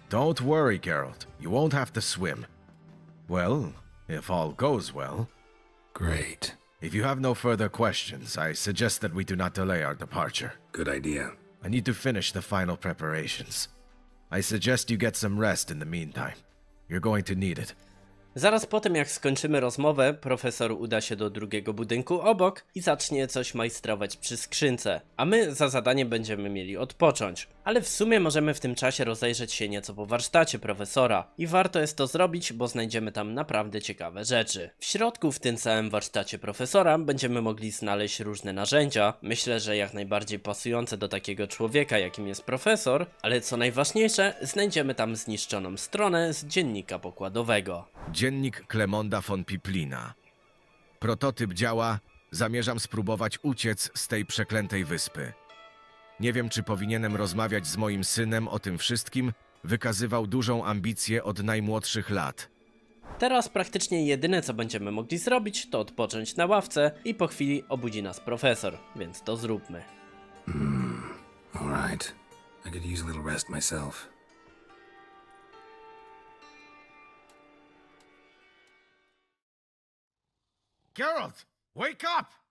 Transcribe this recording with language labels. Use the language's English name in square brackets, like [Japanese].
[English] Don't worry, Geralt. You won't have to swim. Well, if all goes well. Great. If you have no further questions, I suggest that we do not delay our departure. Good idea. I need to finish the final preparations. I suggest you get some rest in the meantime. You're going to need it. [Polish] Zaraz po tym, jak skończymy rozmowę, profesor uda się do drugiego budynku obok i zacznie coś majstrować przy skrzynce, a my za zadanie będziemy mieli odpocząć. Ale w sumie możemy w tym czasie rozejrzeć się nieco po warsztacie profesora i warto jest to zrobić, bo znajdziemy tam naprawdę ciekawe rzeczy. W środku, w tym całym warsztacie profesora, będziemy mogli znaleźć różne narzędzia, myślę, że jak najbardziej pasujące do takiego człowieka, jakim jest profesor, ale co najważniejsze, znajdziemy tam zniszczoną stronę z dziennika pokładowego. Dziennik Klemonda von Piplina. Prototyp działa, zamierzam spróbować uciec z tej przeklętej wyspy. Nie wiem, czy powinienem rozmawiać z moim synem o tym wszystkim. Wykazywał dużą ambicję od najmłodszych lat. Teraz praktycznie jedyne, co będziemy mogli zrobić, to odpocząć na ławce i po chwili obudzi nas profesor, więc to zróbmy. [English] Alright. I could use a little rest myself. Geralt, wake up!